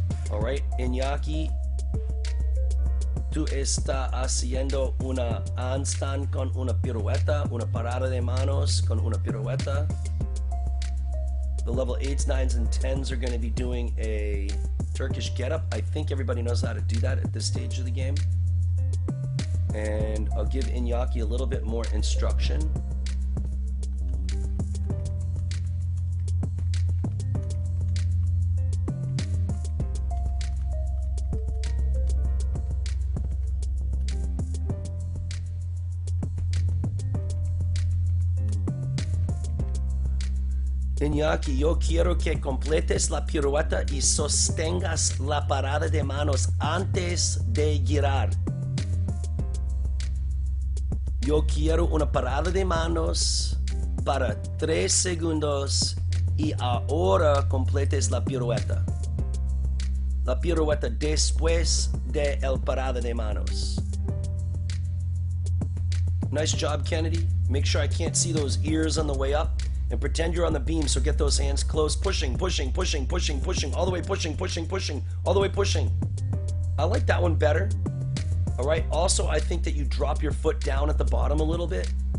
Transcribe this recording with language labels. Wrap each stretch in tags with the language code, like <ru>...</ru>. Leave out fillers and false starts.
<es>All right, Iñaki, tú estás haciendo una handstand con una pirueta, una parada de manos con una pirueta.</es> <en>The level 8s, 9s, and 10s are going to be doing a Turkish getup. I think everybody knows how to do that at this stage of the game. And I'll give Iñaki a little bit more instruction.</en> <es>Iñaki, yo quiero que completes la pirueta y sostengas la parada de manos antes de girar. Yo quiero una parada de manos para 3 segundos y ahora completes la pirueta. La pirueta después de la parada de manos.</es> <en>Nice job, Kennedy. Make sure I can't see those ears on the way up. And pretend you're on the beam, so get those hands close. Pushing, pushing, pushing, pushing, pushing, all the way pushing, pushing, pushing, all the way pushing. I like that one better. All right, also I think that you drop your foot down at the bottom a little bit.</en>